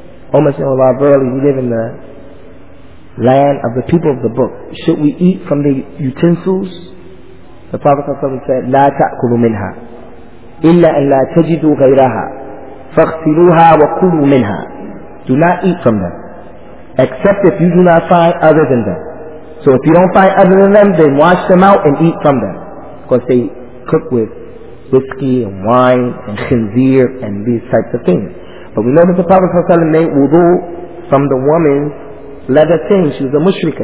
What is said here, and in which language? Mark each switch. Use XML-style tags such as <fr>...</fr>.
<en>O Messenger of Allah, verily we live in the land of the people of the book. Should we eat from the utensils? The Prophet said,</en> <ar>لا تأكلوا منها إلا أن لا تجدوا غيرها فاغسلوها وكلوا منها.</ar> <en>Do not eat from them except if you do not find other than them. So if you don't find other than them, then wash them out and eat from them, because they cook with whiskey and wine and khinzir and these types of things. But we know that the Prophet made wudu from the woman's leather thing. She was a mushrika.</en>